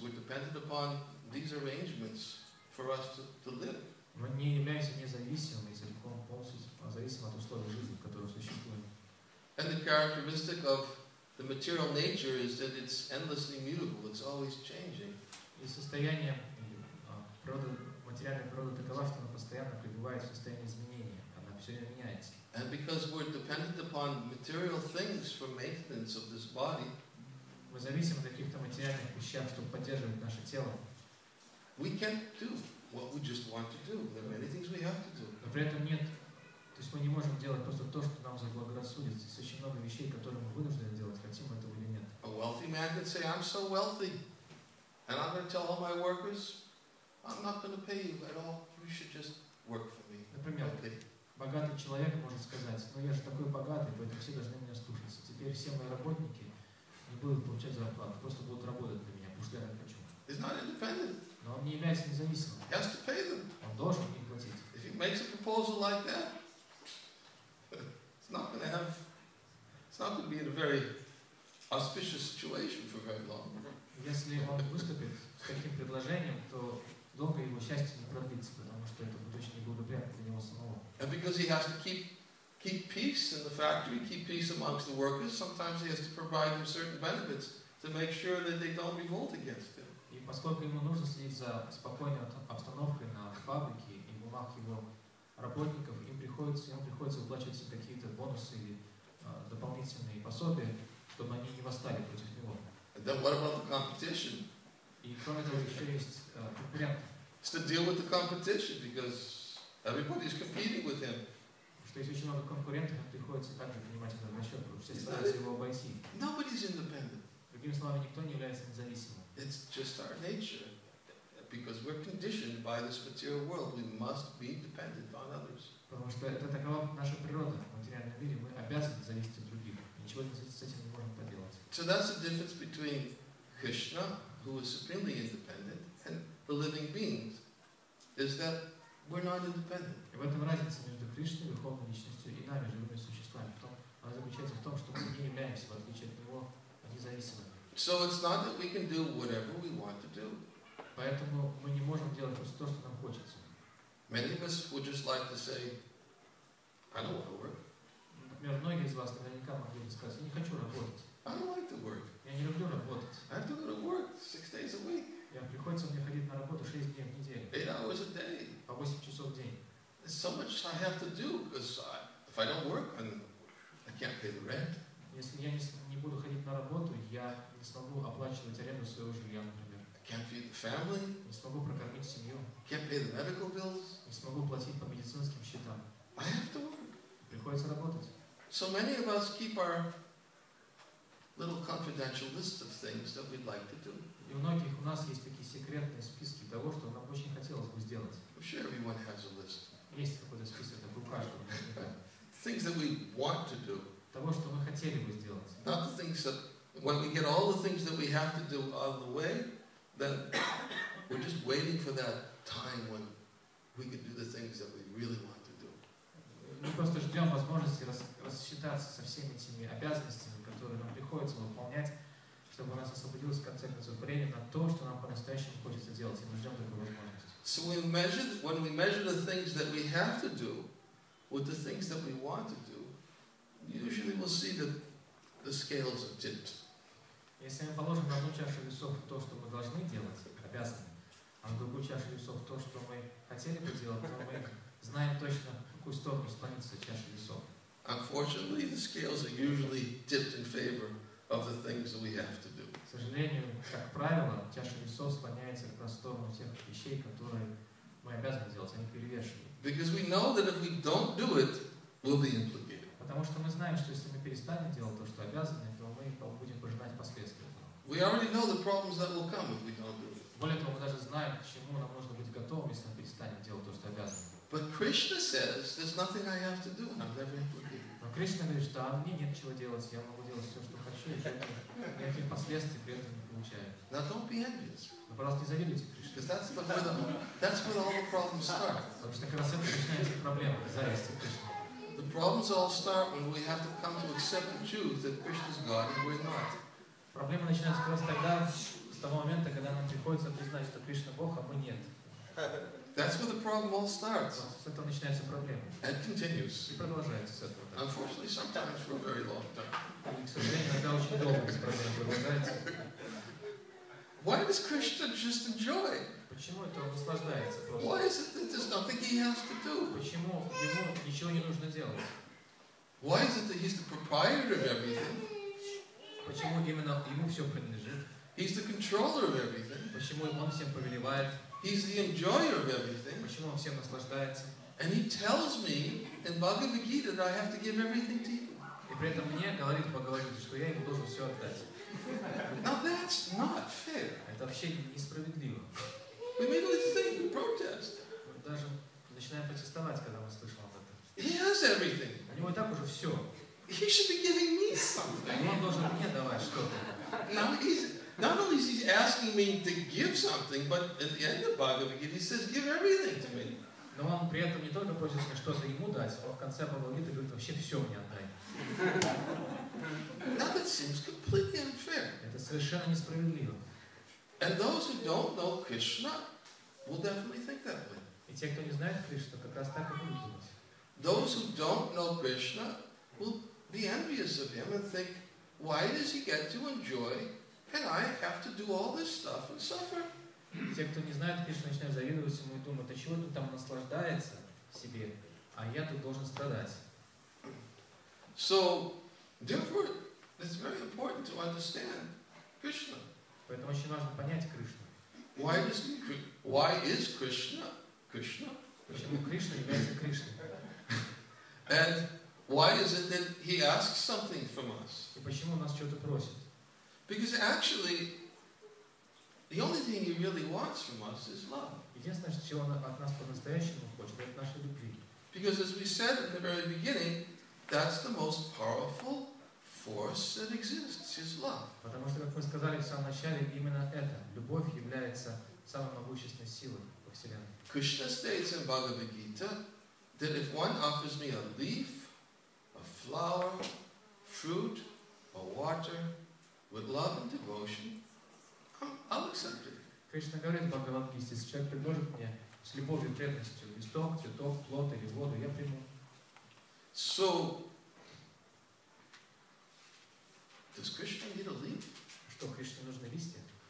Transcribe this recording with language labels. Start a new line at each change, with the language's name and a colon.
English: We're dependent upon these arrangements for us to live.
Russian: Мы не являемся независимыми целиком, полностью зависим от условий жизни, в которых существуем.
English: And the characteristic of the material nature is that it's endlessly mutable, it's always changing.
Russian: И состояние природы, материальной природы такова, что она постоянно пребывает в состоянии изменения, она все время меняется.
English: And because we're dependent upon material things for maintenance of this body,
Russian: мы зависим от каких-то материальных вещей, чтобы поддерживать наше тело.
English: We can't do what we just want to do. There are many things we have to do.
Russian: Но при этом нет. То есть мы не можем делать просто то, что нам заблагорассудится. Есть очень много вещей, которые мы вынуждены делать, хотим этого или нет.
English: A wealthy man can say, I'm so wealthy. And I'm going to tell all my workers, I'm not going to pay you at all. You should just work for me.
Russian: Например, богатый человек может сказать, ну я же такой богатый, поэтому все должны меня слушаться. Теперь все мои работники не будут получать зарплату, просто будут работать для меня, потому что я хочу.
English: He's not independent.
Russian: Но он не является независимым.
English: He has to pay them.
Russian: Он должен им платить.
English: If he makes a proposal like that, it's not going to be in a very auspicious situation for very long.
Russian: Если он выступит с таким предложением, то долго его счастье не продлится, потому что это будет очень неблагоприятно для него самого.
English: And because he has to keep peace in the factory, keep peace amongst the workers, sometimes he has to provide them certain benefits to make sure that they don't revolt against him.
Russian: И поскольку ему нужно следить за спокойной обстановкой на фабрике и в умах его работников, им приходится выплачивать им какие-то бонусы или дополнительные пособия, чтобы они не восстали против него.
English: And then what about the competition?
Russian: И кроме того, еще есть конкуренты.
English: It's to deal with the competition, because everybody is competing with him.
Russian: Что есть очень много конкурентов, им приходится также принимать это в расчет, потому что все стараются его обойти.
English: Nobody's independent.
Russian: Другими словами, никто не является независимым.
English: It's just our nature. Because we're conditioned by this material world, we must be dependent on others.
Russian: Потому что это такова наша природа в материальном мире. Мы обязаны зависеть от других. Ничего с этим не можем поделать.
English: So that's the difference between Krishna, who is supremely independent, and the living beings, is that we're not independent.
Russian: В этом разница между Кришной, Верховной Личностью, и нами, живыми существами. Она заключается в том, что мы не являемся, в отличие от Него, независимыми.
English: So it's not that we can do whatever we want to do.
Russian: Поэтому мы не можем делать просто то, что нам хочется.
English: Many of us would just like to say, I don't want to work.
Russian: Например, многие из вас наверняка могли бы сказать, я не хочу работать.
English: I don't like to work.
Russian: Я не люблю работать.
English: I have to go to work 6 days a week.
Russian: Я приходится мне ходить на работу 6 дней в неделю.
English: 8 hours a day.
Russian: По 8 часов в день.
English: There's so much I have to do because if I don't work, I can't pay the rent.
Russian: Если я не буду ходить на работу, я не смогу оплачивать аренду своего жилья, например.
English: I can't feed the family.
Russian: Не смогу прокормить семью.
English: I can't pay the medical bills.
Russian: Не смогу платить по медицинским счетам.
English: I have to work.
Russian: Приходится работать.
English: So many of us keep our little confidential list of things that we'd like to do.
Russian: И у многих у нас есть такие секретные списки того, что нам очень хотелось бы сделать.
English: I'm sure everyone has a list.
Russian: Есть какой-то список, такой у каждого.
English: Things that we want to do.
Russian: Того, что мы хотели бы сделать.
English: Not the things that, when we get all the things that we have to do out of the way, then we're just waiting for that time when we can do the things that we really want to do.
Russian: Мы просто ждем возможности рассчитаться со всеми теми обязанностями, которые нам приходится выполнять, чтобы у нас освободилось в конце концов время на то, что нам по-настоящему хочется делать, и мы ждем такой возможности.
English: So we measure, when we measure the things that we have to do with the things that we want to do, usually we'll see that the scales are tipped.
Russian: Если мы положим на одну чашу весов то, что мы должны делать, обязаны, а на другую чашу весов то, что мы хотели бы делать, то мы знаем точно, в какую сторону склонится чаша весов.
English: Unfortunately, the scales are usually tipped in favor of the things that we have to do.
Russian: К сожалению, как правило, чаша весов склоняется на сторону тех вещей, которые мы обязаны делать, они перевешивают.
English: Because we know that if we don't do it, we'll be implicated.
Russian: Потому что мы знаем, что если мы перестанем делать то, что обязаны, то мы будем пожинать последствия.
English: We already know the problems that will come if we don't do it.
Russian: Более того, мы даже знаем, к чему нам нужно быть готовым, если мы перестанем делать то, что обязаны.
English: But Krishna says, there's nothing I have to do, and I'm never implicated.
Russian: Но Кришна говорит, что мне нет чего делать, я могу делать все, что хочу, и никаких последствий при этом не получаю.
English: Now don't be envious.
Russian: Но, пожалуйста, не завидуйте Кришне.
English: Because that's where all the problems start.
Russian: Потому что как раз это начинается проблема, зависть от Кришны.
English: The problems all start when we have to come to accept the truth that Krishna is God and we're not.
Russian: Проблема начинается как раз тогда, с того момента, когда нам приходится признать, что Кришна Бог, а мы нет.
English: That's where the problem all starts.
Russian: С этого начинается проблема.
English: And continues.
Russian: И продолжается с этого.
English: Unfortunately, sometimes for a very long time.
Russian: И, к сожалению, иногда очень долго с проблемой продолжается.
English: Why does Krishna just enjoy?
Russian: Почему это он наслаждается просто?
English: Why is it that there's nothing he has to do?
Russian: Почему ему ничего не нужно делать?
English: Why is it that he's the proprietor of everything?
Russian: Почему именно ему все принадлежит?
English: He's the controller of everything.
Russian: Почему он всем повелевает?
English: He's the enjoyer of everything.
Russian: Почему он всем наслаждается?
English: And he tells me in Bhagavad Gita that I have to give everything to him.
Russian: И при этом мне говорит в Бхагавад Гите, что я ему должен все отдать.
English: Now that's not fair.
Russian: Это вообще несправедливо.
English: We immediately think and protest.
Russian: Мы даже начинаем протестовать, когда мы слышим об этом.
English: He has everything.
Russian: У него и так уже все.
English: He should be giving me something.
Russian: Он должен мне давать что-то.
English: Now he's not only is he asking me to give something, but at the end of Bhagavad Gita he says, give everything to me.
Russian: Но он при этом не только просит мне что-то ему дать, а в конце Бхагавад Гита говорит, вообще все мне отдай.
English: Now that seems completely unfair.
Russian: Это совершенно несправедливо.
English: And those who don't know Krishna will definitely think that way.
Russian: И те, кто не знает Кришну, как раз так и будут думать.
English: Those who don't know Krishna will be envious of him and think, why does he get to enjoy and I have to do all this stuff and suffer?
Russian: Те, кто не знает Кришну, начинают завидовать ему и думать, а чего ты там наслаждается себе, а я тут должен страдать.
English: So, therefore, it's very important to understand Krishna.
Russian: Поэтому очень важно понять Кришну.
English: Why is Krishna Krishna?
Russian: Почему Кришна является Кришной?
English: And why is it that he asks something from us?
Russian: И почему он нас что-то просит?
English: Because actually, the only thing he really wants from us is love.
Russian: Единственное, чего он от нас по-настоящему хочет, это нашей любви.
English: Because as we said in the very beginning, that's the most powerful force that exists is love.
Russian: Потому что, как мы сказали в самом начале, именно это, любовь является самой могущественной силой во Вселенной.
English: Krishna states in Bhagavad Gita that if one offers me a leaf, a flower, fruit, or water with love and devotion, I'll accept it.
Russian: Кришна говорит в Бхагавад Гите, если человек предложит мне с любовью, преданностью, листок, цветок, плод или воду, я приму.
English: So, does Krishna need a leaf?
Russian: Что, Кришне нужны листья?